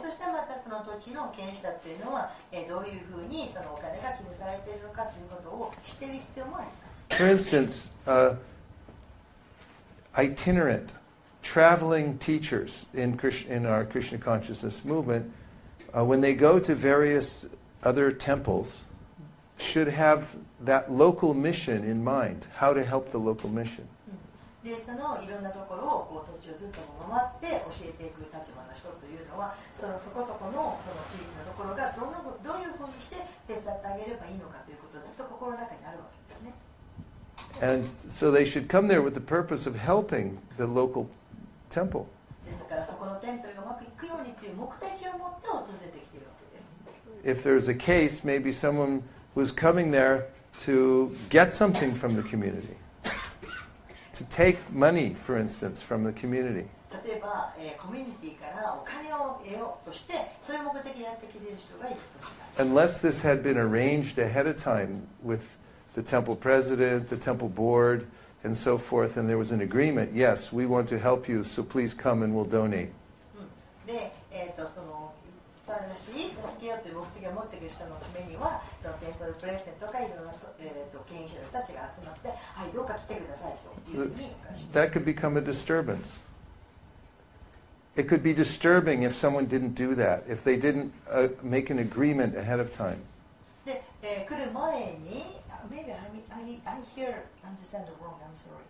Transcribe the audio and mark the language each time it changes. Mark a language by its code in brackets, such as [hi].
[ja] 土地の権利者というのは、どういうふうにそのお金が記載されているのかということを知っている必要もあります。 [en] For instance, itinerant traveling teachers in our Krishna consciousness movement, when they go to various other temples, should have that local mission in mind, how to help the local mission. [ja] でそのいろんなところをこう土地をずっと回って教えていく立場の人というのは そこそこの地域のところがどういうふうにして手伝ってあげればいいのかということをずっと心の中にあるわけですね。 [en] And so they should come there with the purpose of helping the local temple. [ja] ですからそこのテンプルがうまくいくようにという目的を持って訪れてきているわけです。 [en] If there's a case, maybe someone was coming there to get something from the community. To take money, for instance, from the community. [ja] 例えば、コミュニティからお金を得ようとして、そういう目的でやってきている人がいるとします。 [en] Unless this had been arranged ahead of time with the temple president, the temple board, and so forth, and there was an agreement, yes, we want to help you, so please come and we'll donate. [ja] で、その新しい助けようという目的を持っている人のためには、そのテンプルプレゼントとかいろんな権威者の人たちが集まって、はい、どうか来てくださいというふうに。 [en] That could become a disturbance. It could be disturbing if someone didn't do that, if they didn't make an agreement ahead of time. [ja] で、来る前に、 [en] maybe I hear understand the wrong, I'm sorry.